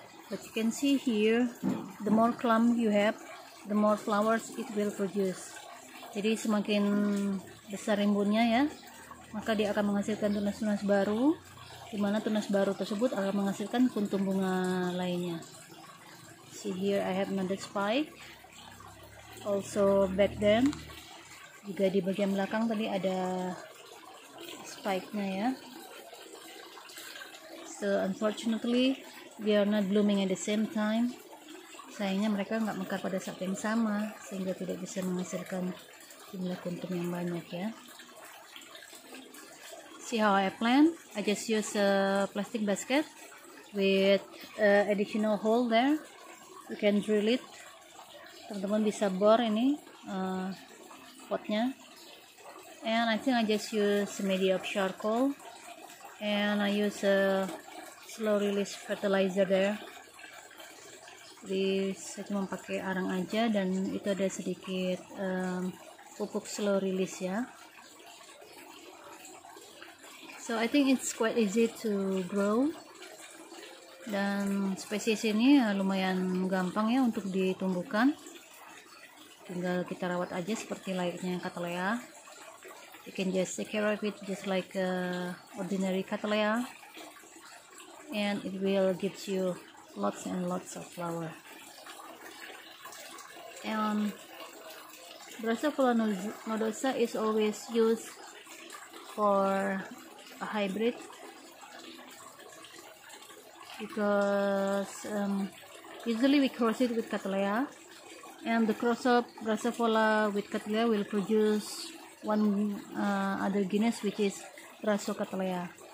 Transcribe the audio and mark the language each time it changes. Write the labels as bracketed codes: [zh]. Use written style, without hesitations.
[en] But you can see here, the more clump you have, the more flowers it will produce. [id] Jadi semakin besar rimbunnya ya, maka dia akan menghasilkan tunas-tunas baru, di mana tunas baru tersebut akan menghasilkan kuntum bunga lainnya. [en] See here I have another spike. Also back then, [id] juga di bagian belakang tadi ada spike-nya ya. [en] So unfortunately, they are not blooming at the same time. [id] Sayangnya mereka nggak mekar pada saat yang sama, sehingga tidak bisa menghasilkan jumlah kuntum yang banyak ya. [en] See how I plant? I just use a plastic basket with additional hole there. You can drill it [id] teman-teman bisa bor ini potnya. [en] And I think I just use a media of charcoal, and I use a slow release fertilizer there. [id] Jadi saya cuma pakai arang aja, dan itu ada sedikit pupuk slow release ya. [en] So I think it's quite easy to grow, [id] dan spesies ini lumayan gampang ya untuk ditumbuhkan. Tinggal kita rawat aja seperti layaknya cattleya. [en] You can just take care of it just like ordinary cattleya, and it will give you lots and lots of flower. And Brassavola nodosa is always used for a hybrid, because usually we cross it with cattleya, and the cross of Brassavola with cattleya will produce one other genus, which is Brasso cattleya.